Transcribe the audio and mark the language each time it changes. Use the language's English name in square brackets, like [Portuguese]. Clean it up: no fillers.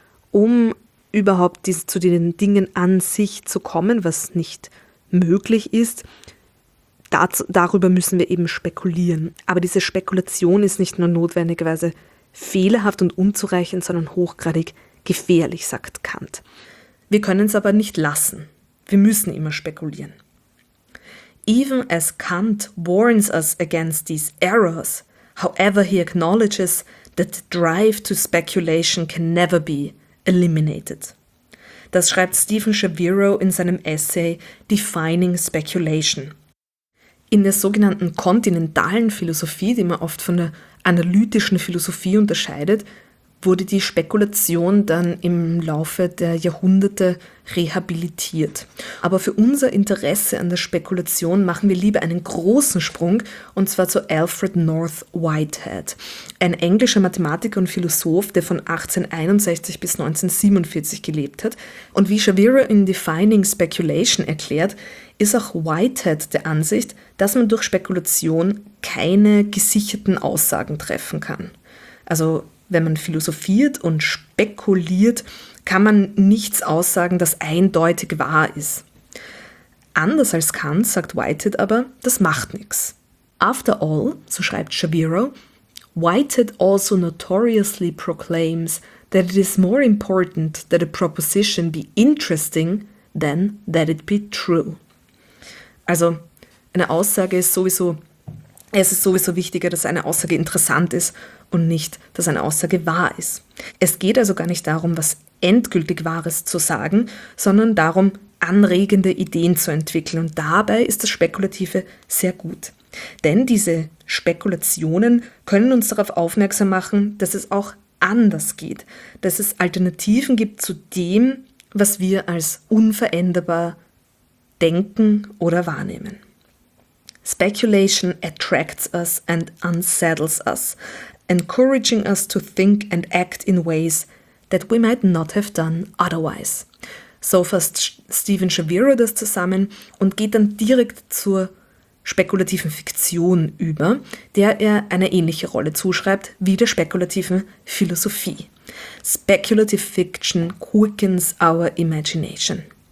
[German] Um überhaupt zu den Dingen an sich zu kommen, was nicht möglich ist, darüber müssen wir eben spekulieren. Aber diese Spekulation ist nicht nur notwendigerweise fehlerhaft und unzureichend, sondern hochgradig gefährlich, sagt Kant. Wir können es aber nicht lassen. Wir müssen immer spekulieren. [English] Even as Kant warns us against these errors, however he acknowledges that the drive to speculation can never be eliminated. [German] Das schreibt Stephen Shaviro in seinem Essay Defining Speculation. In der sogenannten kontinentalen Philosophie, die man oft von der analytischen Philosophie unterscheidet, wurde die Spekulation dann im Laufe der Jahrhunderte rehabilitiert. Aber für unser Interesse an der Spekulation machen wir lieber einen großen Sprung, und zwar zu Alfred North Whitehead, ein englischer Mathematiker und Philosoph, der von 1861 bis 1947 gelebt hat. Und wie Shaviro in Defining Speculation erklärt, ist auch Whitehead der Ansicht, dass man durch Spekulation keine gesicherten Aussagen treffen kann. Also wenn man philosophiert und spekuliert, kann man nichts aussagen, das eindeutig wahr ist. Anders als Kant sagt Whitehead aber, das macht nichts. [English] After all, [German] so schreibt Shaviro, [English] Whitehead also notoriously proclaims that it is more important that a proposition be interesting than that it be true. [German] Also eine Aussage ist sowieso, es ist sowieso wichtiger, dass eine Aussage interessant ist und nicht, dass eine Aussage wahr ist. Es geht also gar nicht darum, was endgültig Wahres zu sagen, sondern darum, anregende Ideen zu entwickeln. Und dabei ist das Spekulative sehr gut. Denn diese Spekulationen können uns darauf aufmerksam machen, dass es auch anders geht, dass es Alternativen gibt zu dem, was wir als unveränderbar denken oder wahrnehmen. [English] Speculation attracts us and unsettles us, encouraging us to think and act in ways that we might not have done otherwise. [German] So fasst Stephen Shaviro das zusammen und geht dann direkt zur spekulativen Fiktion über, der er eine ähnliche Rolle zuschreibt wie der spekulativen Philosophie. [English] Speculative Fiction quickens our imagination.